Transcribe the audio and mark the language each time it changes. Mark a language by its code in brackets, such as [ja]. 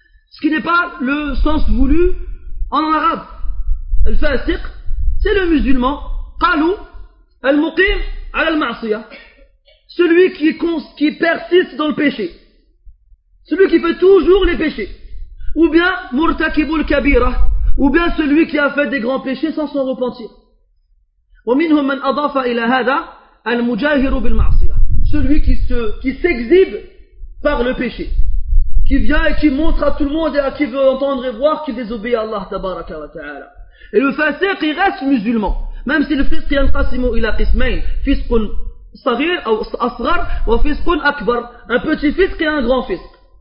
[fr] Ce qui n'est pas le sens voulu en arabe. Al-fasiq, c'est le musulman, [ar] qalou, al-muqim, al-ma'siyah. [fr] Celui qui persiste dans le péché. Celui qui fait toujours les péchés. Ou bien, [ar] murtakibul kabira. [fr] Ou bien celui qui a fait des grands péchés sans s'en repentir. [ar] وَمِنْهُمْ مَنْ أَضَافَ إِلَى هَذَا الْمُجَاهِرُ بِالْمَعْصِيَةِ [fr] Celui qui s'exhibe par le péché. Qui vient et qui montre à tout le monde et à qui veut entendre et voir qu'il désobéit à Allah tabaraka wa ta'ala. Et le fasiq, il reste musulman. Même si le fisq [ar] yanqasimu ila qismain. Fisqun saghir [fr] ou [ar] asghar wa fisqun akbar. [fr] Un petit fisq et un grand fisq.